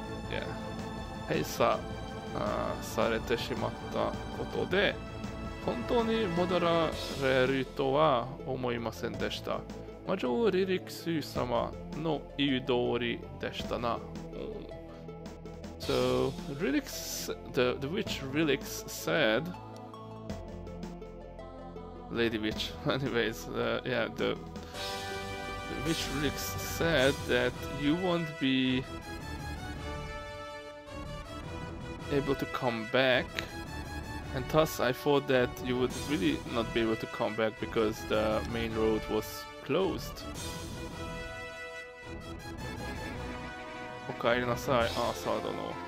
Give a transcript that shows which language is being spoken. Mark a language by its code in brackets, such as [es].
[en] Yeah. [ja] 閉鎖されてしまったことで本当に戻られるとは思いませんでした。魔女リリクス様の言う通りでしたな。 [en] So, Relix, the witch Relix said, Lady Witch, anyways, the witch Relix said that you won't beable to come back, and thus I thought that you would really not be able to come back because the main road was closed. [ja] お帰りなさい、アーサー殿。